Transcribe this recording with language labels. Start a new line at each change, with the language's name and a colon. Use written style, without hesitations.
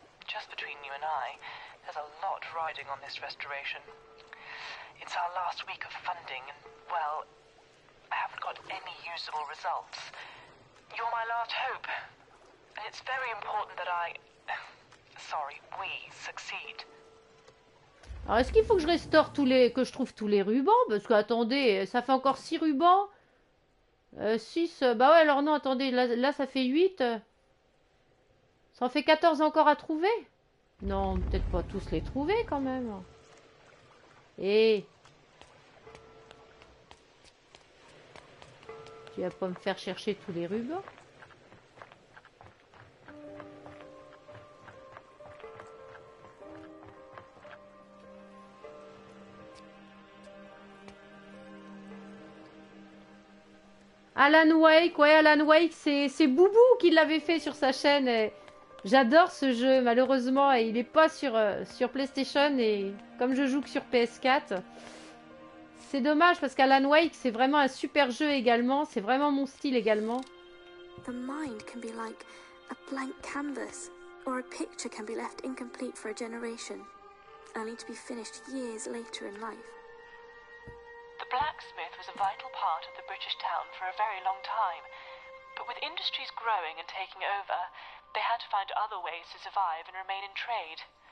English: Just between you and I, there's a lot riding on this restoration. It's our last week of funding, and well, I haven't got any usable results. You're my last hope. And it's very important that I... Sorry, we succeed.
French: Alors, est-ce qu'il faut que je restaure tous les... Que je trouve tous les rubans? Parce que, attendez, ça fait encore 6 rubans. 6... Bah ouais, alors non, attendez, là ça fait 8. Ça en fait 14 encore à trouver? Non, peut-être pas tous les trouver, quand même. Et... Tu vas pas me faire chercher tous les rubans? Alan Wake, ouais, Alan Wake, c'est Boubou qui l'avait fait sur sa chaîne. J'adore ce jeu, malheureusement, et il n'est pas sur PlayStation, et comme je joue que sur PS4, c'est dommage parce qu'Alan Wake, c'est vraiment un super jeu également, c'est vraiment mon style également.
English: The mind can be like a blank canvas, or a picture can be left incomplete for a generation, only to be finished years later in life. The blacksmith was a vital part of the British town for a very long time, but with industries growing and taking over, they had to find other ways to survive and remain in trade.